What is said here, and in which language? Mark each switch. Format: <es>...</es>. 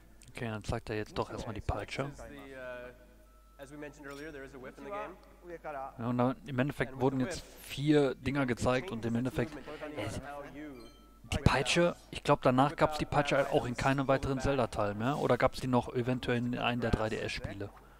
<de>Okay, dann zeigt jetzt doch erstmal die Peitsche.</de> <en>As we mentioned earlier, there is a whip in the game.</en> <de>Ja, und dann im Endeffekt wurden jetzt vier Dinger gezeigt und im Endeffekt die Peitsche, ich glaube danach gab es die Peitsche halt auch in keinem weiteren Zelda-Teil mehr oder gab es die noch eventuell in einem der 3DS-Spiele.</de>